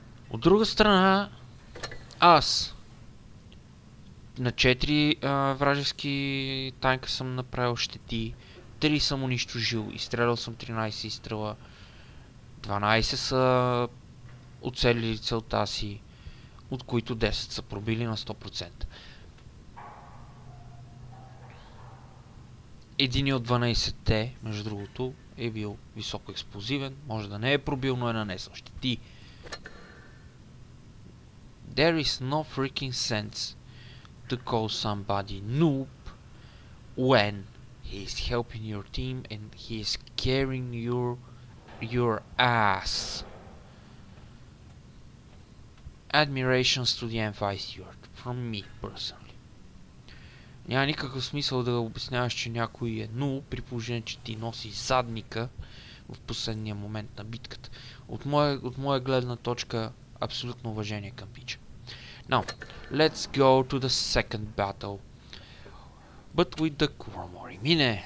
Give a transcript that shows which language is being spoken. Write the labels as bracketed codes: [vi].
[bg] От друга страна, аз на 4 вражески танка съм направил щети, 3 съм унищожил, изстрелял съм 13 изстрела, 12 са оцелили целта си, от които 10 са пробили на 100%. Един от 12-те, между другото, е бил високо експлозивен, може да не е пробил, но е нанесъл щети. [en] There is no freaking sense to call somebody noob when he is helping your team and he is carrying your ass. Admirations to the M5 steward from me personally. [bg] Няма никакъв смисъл да обясняваш, че някой е нул, при положение, че ти носи задника в последния момент на битката. От моя гледна точка, абсолютно уважение към бича. [en] Now, let's go to the second battle. But with the Kuromori Mine.